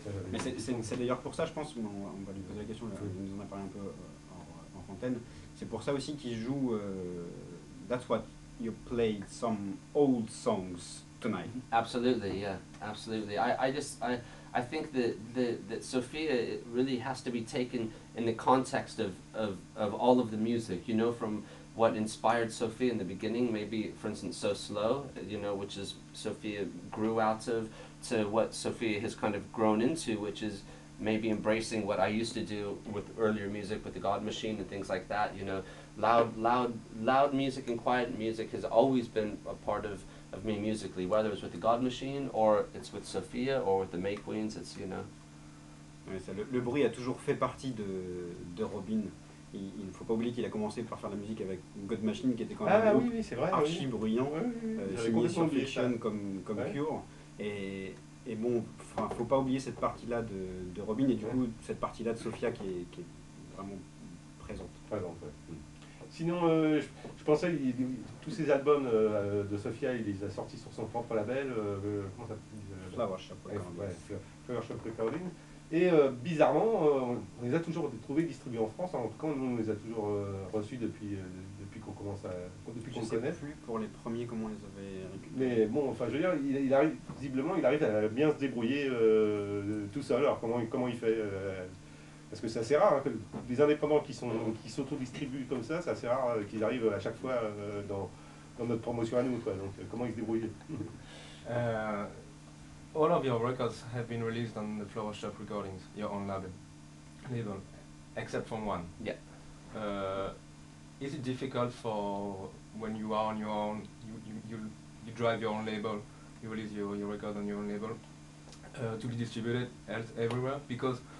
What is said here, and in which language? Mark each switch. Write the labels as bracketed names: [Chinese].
[French] mais c'est d'ailleurs pour ça, je pense, on va lui poser la question, il nous en a parlé un peu en antenne. C'est pour ça aussi qu'il joue. [English] That's what you played some old songs tonight. Absolutely, yeah, absolutely. I think that Sophia really has to be taken in the context of all of the music, you know, from what inspired Sophia in the beginning, maybe, for instance, So Slow, you know, which is Sophia grew out of, to what Sophia has kind of grown into, which is maybe embracing what I used to do with earlier music, with the God Machine and things like that, you know. Loud music and quiet music has always been a part of me musically, whether it's with the God Machine, or it's with Sophia, or with the May Queens, it's, you know. [French] Ouais, le bruit a toujours fait partie de Robin. Il ne faut pas oublier qu'il a commencé par faire la musique avec God Machine, qui était quand même archi bruyant, signé sur Fiction comme ouais. Cure. Et bon, il ne faut pas oublier cette partie-là de Robin, et du coup, cette partie-là de Sophia qui est vraiment présente. Présente, ouais. Sinon, je pensais, tous ces albums de Sophia, il les a sortis sur son propre label. Comment ça s'appelle ? Flower Shop Recording. Flower Shop Recording. Et bizarrement, on les a toujours trouvés distribués en France. Hein. En tout cas, on les a toujours reçus depuis qu'on commence depuis qu'on connaît. Je ne sais plus pour les premiers comment ils avaient récupéré. Mais bon, enfin, je veux dire, il arrive à bien se débrouiller tout seul. Alors comment il fait Parce que c'est assez rare, hein, que les indépendants qui s'auto-distribuent comme ça, c'est assez rare qu'ils arrivent à chaque fois dans notre promotion à nous. Quoi. Donc comment ils se débrouillent [English] All of your records have been released on the Flower Shop Recordings, your own label, except from one. Yeah. Is it difficult for when you are on your own, you drive your own label, you release your record on your own label, to be distributed everywhere? Because